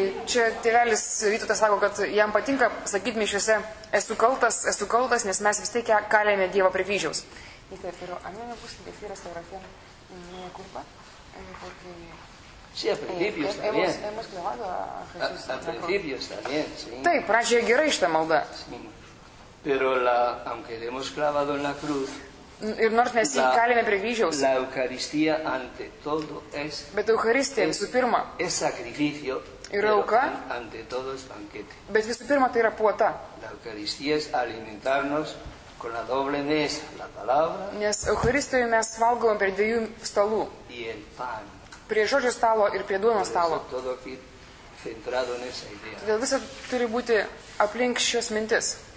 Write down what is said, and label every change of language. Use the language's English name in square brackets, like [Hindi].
[Lithuanian] Čia tėvelis Vytautas sako, kad jam patinka sakyti mišiuose, esu kaltas, nes mes vis tiek kalėjame Dievą prie kryžiaus. Taip, pradžioje gerai šitą maldą. [Spanish] Pero la, aunque le hemos clavado en la cruz, [Lithuanian] ir nors mes jį kalėme prie kryžiaus, [Spanish] la Eucaristía ante todo es, [Lithuanian] bet Eucharistija visų pirma [Spanish] es sacrificio, [Lithuanian] yra auka, [Spanish] ante todo es banquete. [Lithuanian] Bet visų pirma tai yra puota. [Spanish] La Eucaristía es alimentarnos con la doble mesa, la palabra, [Lithuanian] nes Eucharistijoje mes valgome prie dviejų stalų, [Spanish] y el pan, [Lithuanian] prie žodžio stalo ir prie duonos stalo. [Spanish] Todo aquí centrado en esa idea. [Lithuanian] Todėl visa turi būti aplink šios mintis.